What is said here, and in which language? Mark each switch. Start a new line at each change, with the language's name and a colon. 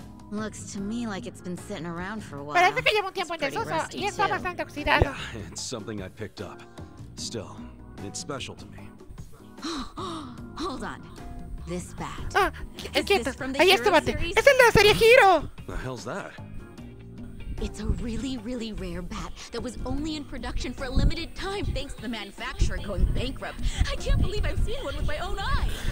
English: Looks to me like it's been sitting around for a while.
Spanish: Parece que lleva un tiempo en desuso y está bastante oxidado.
English: Yeah, it's something I picked up. Still, it's special to me. Hold on. This bat. Ah,
Spanish: ¿qué es esto? Ahí está, bate. Es el de la serie Hero.
English: What the hell's that? It's a really, really rare bat that was only in production for a limited time thanks to the manufacturer going bankrupt. I can't believe I've seen one with my own eyes.